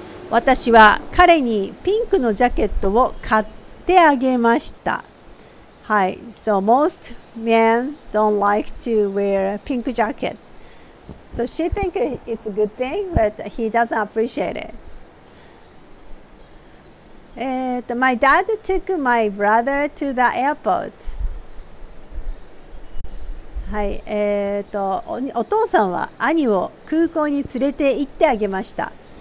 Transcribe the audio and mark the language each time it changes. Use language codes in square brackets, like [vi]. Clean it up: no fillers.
[ja] 私は彼にピンクのジャケットを買ってあげました。はい。 [en] So most men don't like to wear a pink jacket. So she thinks it's a good thing, but he doesn't appreciate it. My dad took my brother to the airport. [ja] はい。お父さんは兄を空港に連れて行ってあげました。